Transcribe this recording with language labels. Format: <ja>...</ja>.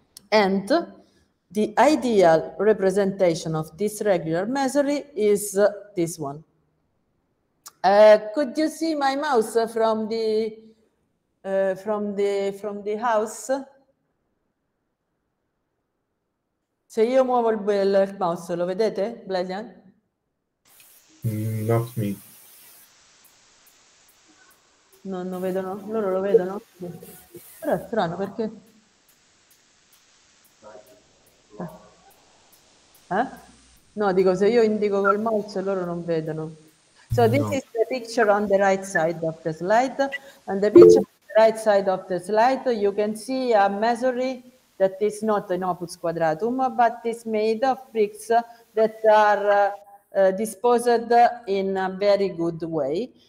<en>And the ideal representation of this regular masonry is this one. Could you see my mouse from the house?</en> <it>Se io muovo il mouse, lo vedete, Blaylan?</it> <en>Not me.</en> <it>Non lo vedono? Loro lo vedono? Però è strano, perché? Eh? No, dico, se io indico col mouse, loro non vedono.</it> <en>So this is the picture on the right side of the slide. And the picture on the right side of the slide, you can see a masonry that is not an opus quadratum, but is made of bricks that are disposed in a very good way.</en>